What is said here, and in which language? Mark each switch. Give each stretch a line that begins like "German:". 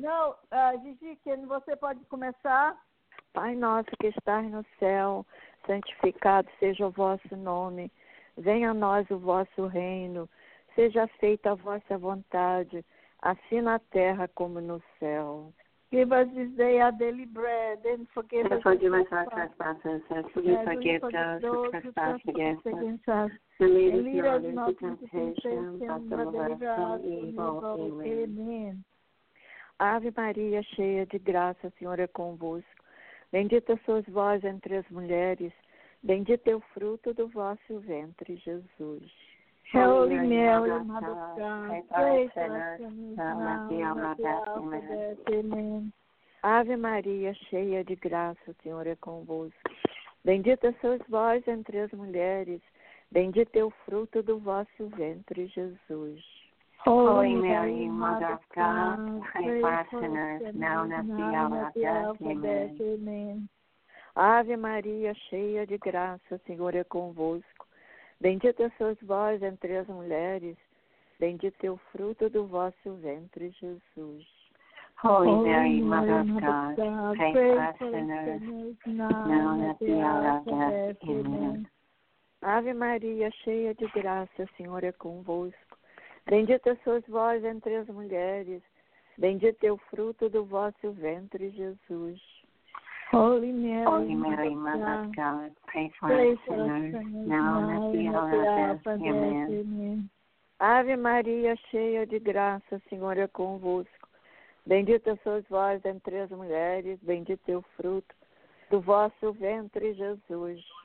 Portuguese: No, Gigi, você pode começar? Pai nosso que estás no céu, santificado seja o vosso nome. Venha a nós o vosso reino. Seja feita a vossa vontade, assim na terra como no céu.
English: Give us this day our daily bread and forgive us our trespasses, as we forgive those who trespass against us. And lead us not into temptation, but deliver us from evil. Amen.
Portuguese: Ave Maria, cheia de graça, o Senhor é convosco. Bendita sois vós entre as mulheres. Bendito é o fruto do vosso ventre, Jesus.
English: Holy Mary, Mother of God, pray for us sinners, now and at
Portuguese: Ave Maria, cheia de graça, o Senhor é convosco. Bendita sois vós entre as mulheres. Bendito é o fruto do vosso ventre, Jesus.
English: Holy Mary, Mother of God, pray for us sinners, now and at the hour of death. Amen.
Portuguese: Ave Maria, cheia de graça, o Senhor é convosco. Bendita sois vós entre as mulheres. Bendito é o fruto do vosso ventre, Jesus.
English: Holy Mary, Mother of God, pray for us sinners, now and at the hour of death. Amen.
Portuguese: Ave Maria, cheia de graça, o Senhor é convosco. Bendita sois vós entre as mulheres. Bendito é o fruto do vosso ventre, Jesus.
English: Holy Mary, Mother of God, pray for us sinners, now and at the hour of death. Amen.
Portuguese: Ave Maria, cheia de graça, o Senhor é convosco. Bendita sois vós entre as mulheres, bendito é o fruto do vosso ventre, Jesus.